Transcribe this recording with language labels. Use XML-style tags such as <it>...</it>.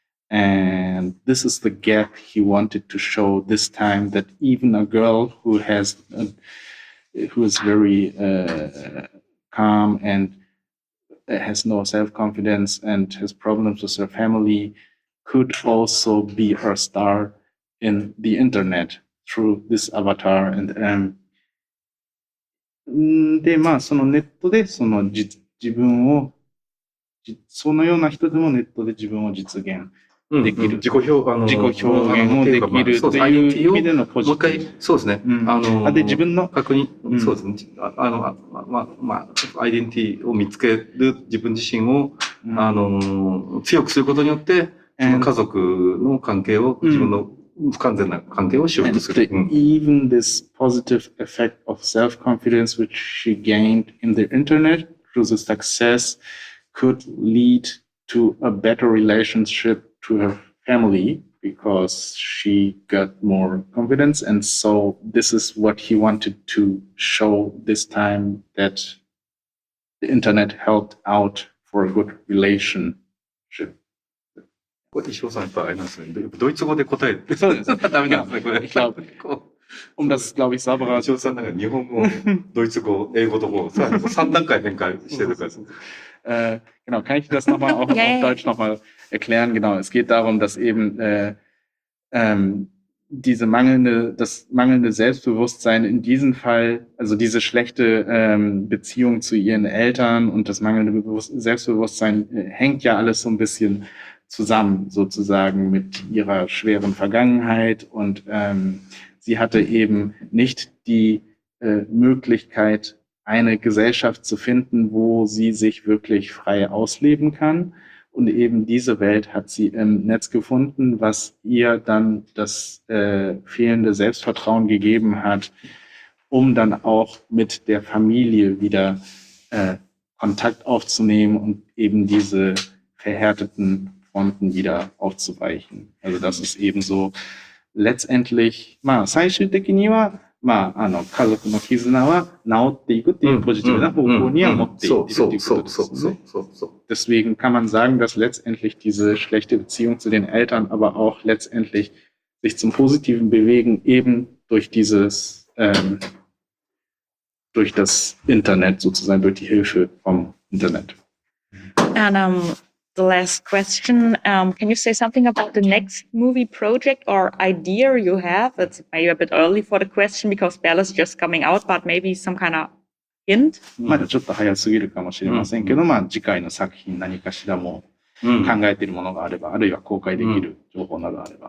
<en>And this is the gap he wanted to show this time, that even a girl who has, who is very calm and has no self-confidence and has problems with her family could also be her star in the internet through this avatar. And</en> <ja>でまあそのネットでその自分をそのような人でもネットで自分を実現できる、うんうん、自己表現をできるという意味でのポジティブ、もう一回そうですね、うん、あので自分の確認、うん、そうですね、あのアイデンティティを見つける自分自身を、うん、あの強くすることによって、うん、家族の関係を、うん、自分の不完全な関係を修復する、</ja> <en>うん、even this positive effect of self confidence which she gained in the internet through the success could lead to a better relationshipto her family because she got more confidence, and so this is what he wanted to show this time, that the internet helped out for a good relationship.</en> <ja>石尾さんやっぱあれなんですね、ドイツ語で答えてそうですダメなんですね、これ</ja> <de>ich glaube, um das glaube ich selber</de> <ja>石尾さんなんか日本語ドイツ語英語ともさ3段階変化してるから</ja> <de>genau, kann ich das nochmal auf, auf Deutsch nochmal erklären? Genau, es geht darum, dass eben das mangelnde Selbstbewusstsein in diesem Fall, also diese schlechte Beziehung zu ihren Eltern und das mangelnde Selbstbewusstsein hängt ja alles so ein bisschen zusammen, sozusagen mit ihrer schweren Vergangenheit. Und sie hatte eben nicht die Möglichkeit, eine Gesellschaft zu finden, wo sie sich wirklich frei ausleben kann. Und eben diese Welt hat sie im Netz gefunden, was ihr dann das fehlende Selbstvertrauen gegeben hat, um dann auch mit der Familie wieder Kontakt aufzunehmen und eben diese verhärteten Fronten wieder aufzuweichen. Also das ist eben so letztendlich</de> <ja>まあ最終的にはまあ、あの家族の絆は治っていくっていうポジティブな方向には持っていくっていうことですね。</ja> <de>Deswegen kann man sagen, dass letztendlich diese schlechte Beziehung zu den Eltern, aber auch letztendlich sich zum Positiven bewegen, eben durch dieses, durch das Internet sozusagen, durch die Hilfe vom Internet.</de> <en>And, the last question, can you say something about the next movie project or idea you have? It's maybe a bit early for the question because Belle is just coming out, but maybe some kind of hint?</en> <ja>まだちょっと早すぎるかもしれませんけど、まあ次回の作品何かしらも考えているものがあれば、あるいは公開できる情報などあれば。</ja>